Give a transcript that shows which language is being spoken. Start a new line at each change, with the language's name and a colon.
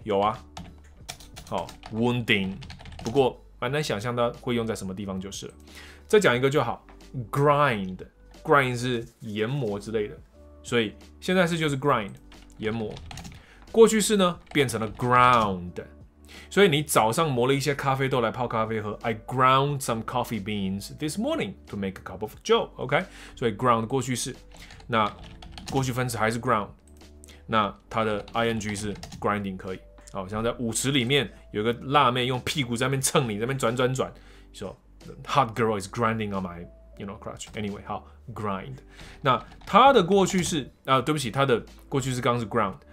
Chinese: 有啊，好 ，wounding， 不过蛮难想象它会用在什么地方就是了。再讲一个就好 ，grind 是研磨之类的，所以现在式就是 grind， 研磨，过去式呢变成了 ground。所以你早上磨了一些咖啡豆来泡咖啡喝
English: ，I ground some coffee beans this morning to make a cup of Joe.
Chinese: OK， 所以 ground 过去式，那过去分词还是 ground， 那它的 ing 是 grinding 可以。好像在舞池里面有个辣妹用屁股在那边蹭你，在那边转转转，说
English: hot girl is grinding on my you know crotch.
Chinese: Anyway， 好 grind， 那它的过去式啊、对不起，它的过去式刚是 ground。